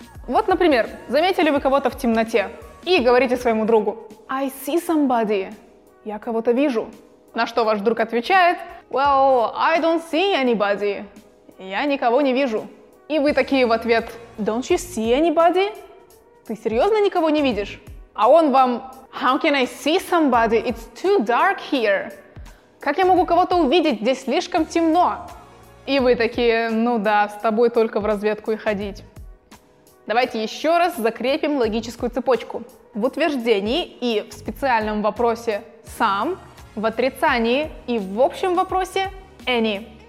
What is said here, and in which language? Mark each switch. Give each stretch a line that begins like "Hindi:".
Russian: Вот, например, заметили вы кого-то в темноте и говорите своему другу
English: I see somebody.
Russian: Я кого-то вижу. На что ваш друг отвечает
English: Well, I don't see anybody.
Russian: Я никого не вижу. И вы такие в ответ
English: Don't you see anybody?
Russian: Ты серьезно никого не видишь? А он вам
English: How can I see somebody? It's too dark here.
Russian: Как я могу кого-то увидеть? Здесь слишком темно. И вы такие Ну да, с тобой только в разведку и ходить. Давайте еще раз закрепим логическую цепочку. В утверждении и в специальном вопросе some, в отрицании и в общем вопросе any.